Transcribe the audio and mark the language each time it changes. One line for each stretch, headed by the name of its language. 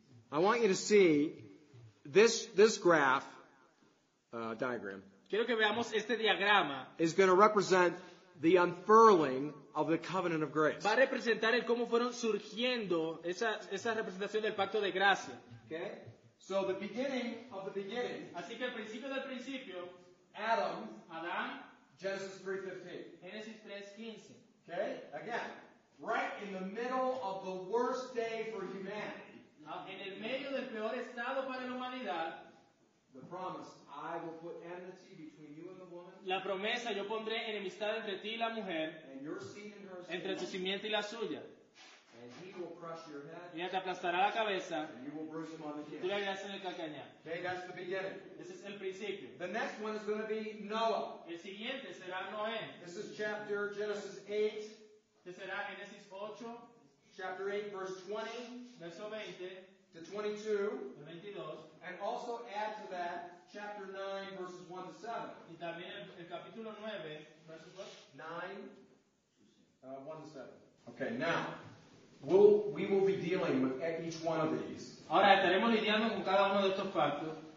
English: I want you to see this graph diagram.
Spanish: Quiero que veamos este diagrama.
English: Is going to represent the unfurling of the covenant of grace.
Spanish: Va a representar el cómo fueron surgiendo esa representación del pacto de gracia.
English: Okay. So the beginning of the beginning.
Spanish: Así que el principio del principio.
English: Adam. Genesis 3:15. Genesis 3:15. Okay. Again. Right in the middle of the worst day for humanity.
Spanish: En el medio del peor estado para la humanidad.
English: The promise, I will put enmity between you and the woman.
Spanish: La promesa, yo pondré enemistad entre ti y la mujer.
English: And your seed and her seed.
Spanish: Entre tu simiente y la suya.
English: And he will crush your head.
Spanish: Y ella te aplastará la cabeza.
English: And you will bruise him on the chin.
Spanish: Tú le harás en el calcañar.
English: Okay, that's the beginning.
Spanish: Ese es el principio.
English: The next one is going to be Noah.
Spanish: El siguiente será Noé.
English: This is chapter Genesis 8.
Spanish: Será Génesis 8,
English: chapter 8, verse 20,
Spanish: verso 20
English: to 22,
Spanish: de 22,
English: and also add to that chapter 9, verses 1 to 7.
Spanish: Y también el capítulo 9,
English: verses what? 9, 1 to 7. Okay, now, we will be dealing with each one of these.
Spanish: Ahora estaremos lidiando con cada uno de estos factos.